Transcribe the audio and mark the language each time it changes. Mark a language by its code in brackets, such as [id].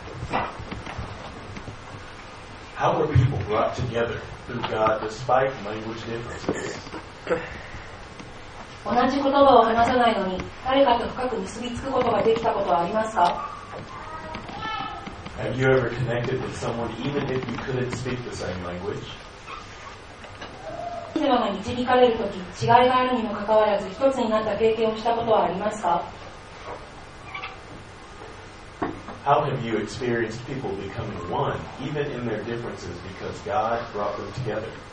[en] How were people brought together through God despite language differences? [ja] 同じ言葉を話さないのに誰かと深く結びつくことができたことはありますか? [en] Have you ever connected with someone even if you couldn't speak the same language? [ja] 神様が導かれるとき違いがあるにもかかわらず一つになった経験をしたことはありますか? [en] How have you experienced people becoming one, even in their differences, because God brought them together?